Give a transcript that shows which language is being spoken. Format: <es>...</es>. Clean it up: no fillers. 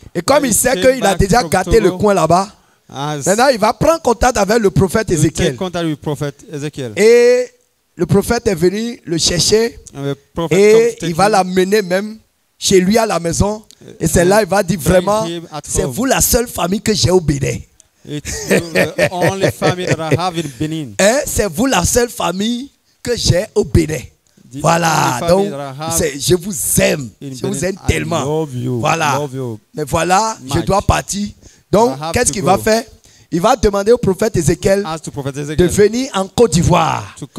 <fr>Et comme il sait qu'il a déjà gâté le coin là-bas, maintenant il va prendre contact avec le prophète Ézéchiel. Et le prophète est venu le chercher et il va l'amener même chez lui à la maison. Et c'est là qu'il va dire vraiment, c'est vous la seule famille que j'ai oubliée.</fr> <en>It's the only family that I have in Benin.</en> <fr>Hein, c'est vous la seule famille que j'ai au Bénin. Voilà. Donc, je vous aime. Je vous aime tellement. Voilà. Mais voilà, je dois partir. Donc, qu'est-ce qu'il va faire? Il va demander au prophète Ézéchiel de venir en Côte d'Ivoire.</fr>